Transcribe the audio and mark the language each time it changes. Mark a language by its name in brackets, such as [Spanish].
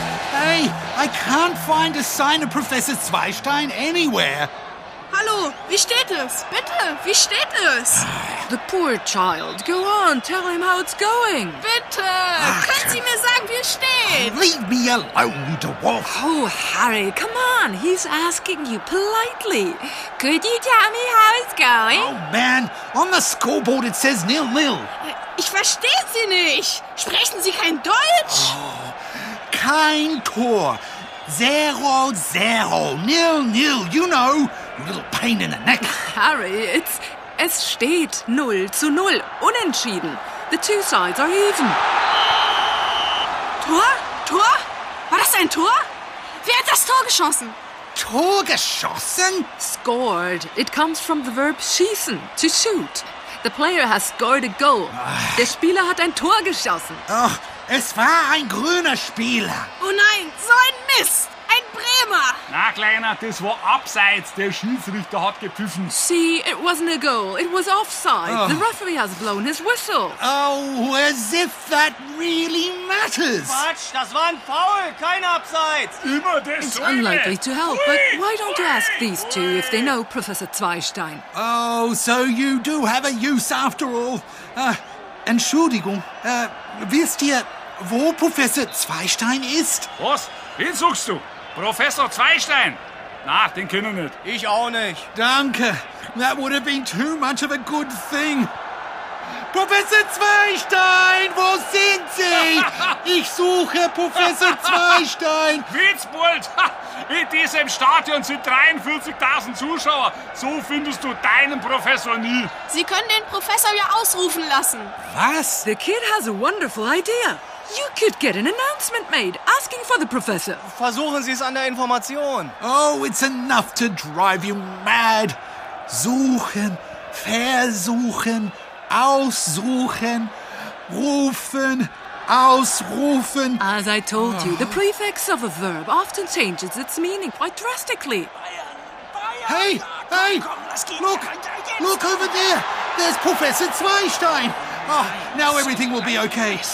[English] Hey, I can't find a sign of Professor Zweistein anywhere. [German] Hallo, wie steht es? Bitte, wie steht es? [English] The poor child. Go on, tell him how it's going. [German] Bitte, können Sie mir sagen, wie es steht? [English] Leave me alone, little wolf. Oh, Harry, come on. He's asking you politely. Could you tell me how it's going? Oh, man, on the scoreboard it says nil-nil. [German] Ich verstehe Sie nicht. Sprechen Sie kein Deutsch? Oh, kein Tor. [English] Zero, zero, nil-nil, you know. A little pain in the neck. [German] Harry, es steht 0-0, unentschieden. [English] The two sides are even. [German] Tor? Tor? War das ein Tor? Wer hat das Tor geschossen? Tor geschossen? [English] Scored. It comes from the verb schießen, to shoot. The player has scored a goal. [German] Der Spieler hat ein Tor geschossen. Oh, es war ein grüner Spieler. Oh nein, so ein Mist. Ein Bremer! Na, Kleiner, das war abseits. Der Schiedsrichter hat gepfiffen. [English] See, it wasn't a goal. It was offside. Oh. The referee has blown his whistle. Oh, as if that really matters. [German] Quatsch, das war ein Foul. Kein abseits. Immer das [English] It's unlikely to help, but why don't you ask these two if they know Professor Zweistein? Oh, so you do have a use after all. [German] Entschuldigung, wisst ihr, wo Professor Zweistein ist? Was? Wen suchst du? Professor Zweistein? Na, den kennen wir nicht. Ich auch nicht. Danke. [English] That would have been too much of a good thing. Professor Zweistein, [German] wo sind Sie? Ich suche Professor Zweistein. Witzbold, in diesem Stadion sind 43.000 Zuschauer. So findest du deinen Professor nie. Sie können den Professor ja ausrufen lassen. Was? [English] The kid has a wonderful idea. You could get an announcement made, asking for the professor. [German] Versuchen Sie es an der Information. [English] Oh, it's enough to drive you mad. [German] Suchen, versuchen, aussuchen, rufen, ausrufen. [English] As I told you, the prefix of a verb often changes its meaning quite drastically. Hey, hey, look over there. There's Professor Zweistein. Oh, now everything will be okay.